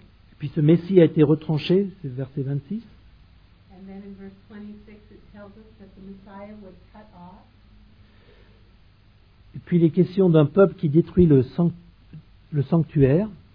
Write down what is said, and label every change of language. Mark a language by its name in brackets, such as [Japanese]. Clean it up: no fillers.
[French] Et puis ce Messie a été retranché, c'est verset 26. [English] And then in verse 26 it tells us that the Messiah was cut off. [French] Et puis les questions d'un peuple qui détruit le sanctuaire.